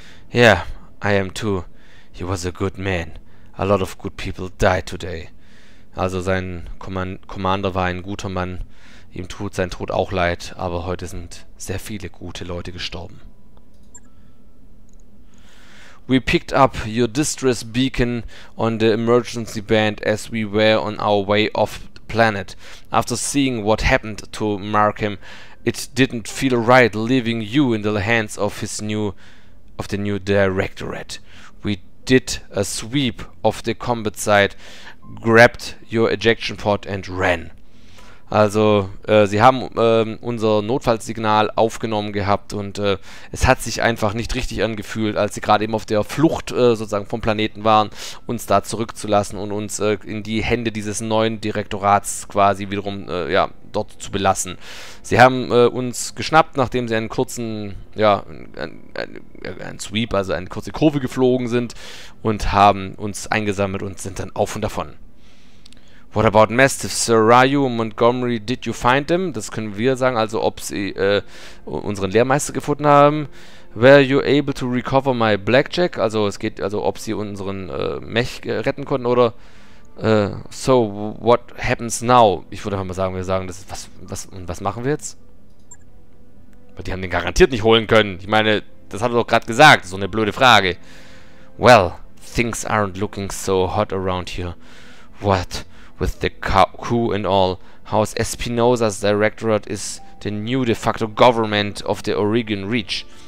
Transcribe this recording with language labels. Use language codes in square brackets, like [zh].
[en] Yeah, I am too. He was a good man. A lot of good people died today. [de] Also sein Commander war ein guter Mann. Ihm tut sein Tod auch leid, aber heute sind sehr viele gute Leute gestorben. [en] We picked up your distress beacon on the emergency band as we were on our way off the planet. After seeing what happened to Markham, it didn't feel right leaving you in the hands of the new directorate. We did a sweep of the combat site, grabbed your ejection pod and ran. [de] Also, sie haben unser Notfallsignal aufgenommen gehabt und es hat sich einfach nicht richtig angefühlt, als sie gerade eben auf der Flucht sozusagen vom Planeten waren, uns da zurückzulassen und uns in die Hände dieses neuen Direktorats quasi wiederum dort zu belassen. Sie haben uns geschnappt, nachdem sie einen kurzen, einen Sweep, also eine kurze Kurve geflogen sind und haben uns eingesammelt und sind dann auf und davon. What about Mastiff, Sir Ryu, Montgomery, did you find them? Das können wir sagen, also ob sie unseren Lehrmeister gefunden haben. [en] Were you able to recover my blackjack? [de] Also es geht, also ob sie unseren Mech retten konnten oder... [en] So, what happens now? [de] Ich würde einfach mal sagen, wir sagen, das ist, was machen wir jetzt? Weil die haben den garantiert nicht holen können. Ich meine, das hat er doch gerade gesagt, so eine blöde Frage. [en] Well, things aren't looking so hot around here. What? With the coup and all, House Espinosa's directorate is the new de facto government of the Oregon Reach.